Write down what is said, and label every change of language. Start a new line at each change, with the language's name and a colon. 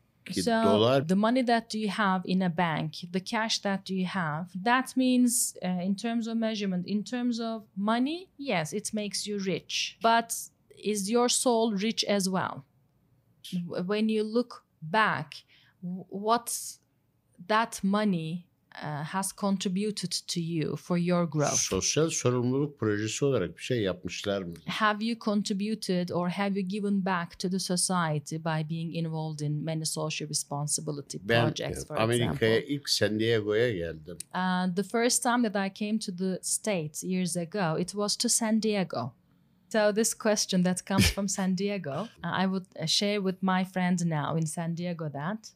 English: So the money that you have in a bank, the cash that you have, that means in terms of measurement, in terms of money, yes, it makes you rich. But is your soul rich as well? When you look back, what that money has contributed to you for your growth?
Turkish: Sosyal sorumluluk projesi olarak bir şey yapmışlar mı?
English: Have you contributed or have you given back to the society by being involved in many social responsibility projects, for
Turkish: Amerika'ya
English: example?
Turkish: İlk San Diego'ya geldim.
English: The first time that I came to the States years ago, it was to San Diego. So this question that comes from San Diego, I would share with my friend now in San Diego that